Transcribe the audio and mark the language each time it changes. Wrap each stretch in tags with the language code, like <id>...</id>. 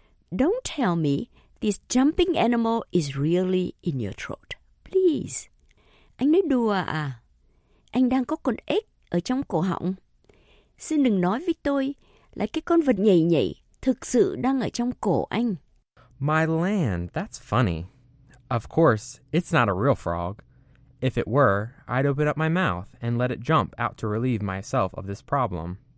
<en>Don't tell me this jumping animal is really in your throat, please.</en> <vi>Anh nói đùa à? Anh đang có con ếch ở trong cổ họng. Xin đừng nói với tôi là cái con vật nhảy nhảy thực sự đang ở trong cổ anh.</vi> <en>My land, that's funny. Of course, it's not a real frog. If it were, I'd open up my mouth and let it jump out to relieve myself of this problem.</en>